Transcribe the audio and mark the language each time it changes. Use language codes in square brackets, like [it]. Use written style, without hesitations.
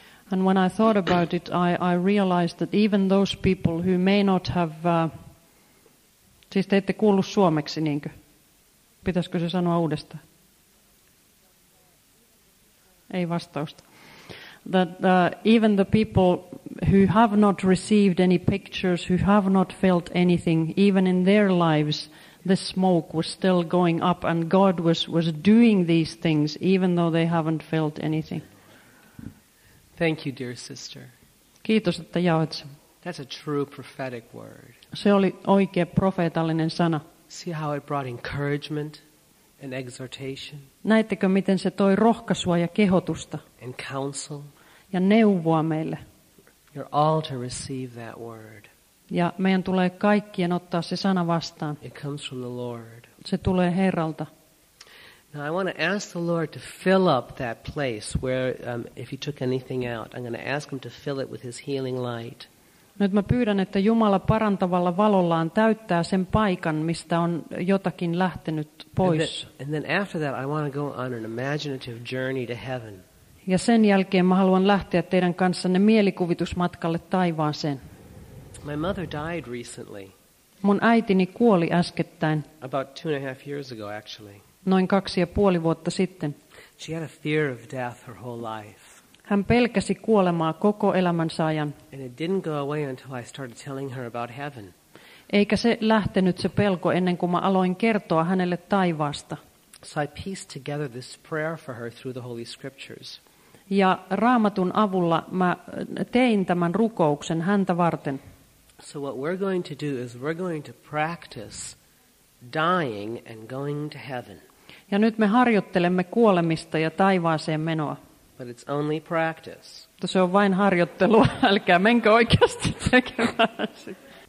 [en] And when I thought about it, I realized that even those people who may not have... [fi] Siis te ette kuullu suomeksi, niinkö? Pitäisikö se sanoa uudestaan? Ei vastausta. [en] That even the people who have not received any pictures, who have not felt anything, even in their lives, the smoke was still going up and God was doing these things, even though they haven't felt anything. Thank you, dear sister. [fi] Kiitos, että jaoit. [en] That's a true prophetic word. [fi] Se oli oikea profeetallinen sana. [en] See how it brought encouragement and exhortation. [fi] Näittekö, miten se toi rohkaisua ja kehotusta? [en] And counsel. [fi] Ja neuvoa meille. [en] You're all to receive that word. [fi] Ja meidän tulee kaikkien ottaa se sana vastaan. [en] It comes from the Lord. [fi] Se tulee Herralta. [en] Now I want to ask the Lord to fill up that place where if he took anything out, I'm going to ask him to fill it with his healing light. [fi] Nyt mä pyydän, että Jumala parantavalla valollaan täyttää sen paikan, mistä on jotakin lähtenyt pois. [en] And then after that I want to go on an imaginative journey to heaven. [fi] Ja sen jälkeen mä haluan lähteä teidän kanssanne mielikuvitusmatkalle taivaaseen. [en] My mother died recently. [fi] Mun äitini kuoli äskettäin. [en] About 2.5 years ago actually. [fi] Noin 2.5 vuotta sitten. [en] She had a fear of death her whole life. [fi] Hän pelkäsi kuolemaa koko elämänsä ajan. [en] And it didn't go away until I started telling her about heaven. [fi] Eikä se lähtenyt se pelko ennen kuin mä aloin kertoa hänelle taivaasta. [en] So I pieced together this prayer for her through the Holy Scriptures. [fi] Ja Raamatun avulla mä tein tämän rukouksen häntä varten. [en] So what we're going to do is we're going to practice dying and going to heaven. [fi] Ja nyt me harjoittelemme kuolemista ja taivaaseen menoa. [en] But it's only practice. [fi] Se on vain harjoittelua. Älkää menkö oikeasti tekemään sitä.